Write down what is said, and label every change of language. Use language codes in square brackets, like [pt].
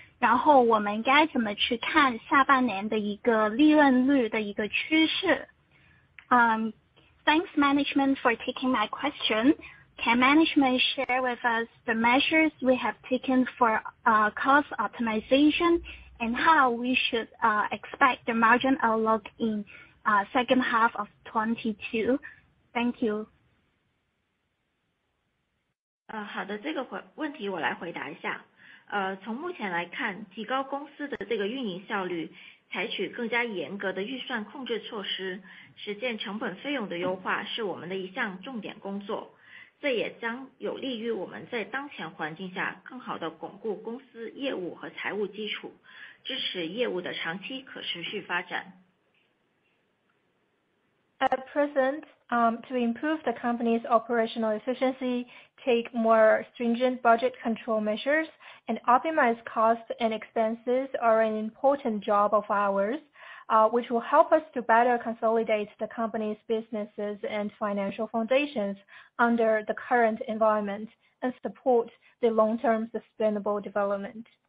[zh] 然后我们该怎么去看下半年的一个利润率的一个趋势? [en] Thanks management for taking my question. Can management share with us the measures we have taken for cost optimization and how we should expect the margin outlook in second half of 2022? Thank you. [zh] 好的，这个问题我来回答一下。从目前来看，提高公司的这个运营效率，采取更加严格的预算控制措施，实现成本费用的优化，是我们的一项重点工作。这也将有利于我们在当前环境下更好地巩固公司业务和财务基础，支持业务的长期可持续发展。 [en] at present, to improve the company's operational efficiency, take more stringent budget control measures, and optimize costs and expenses are an important job of ours, which will help us to better consolidate the company's businesses and financial foundations under the current environment and support the long-term sustainable development.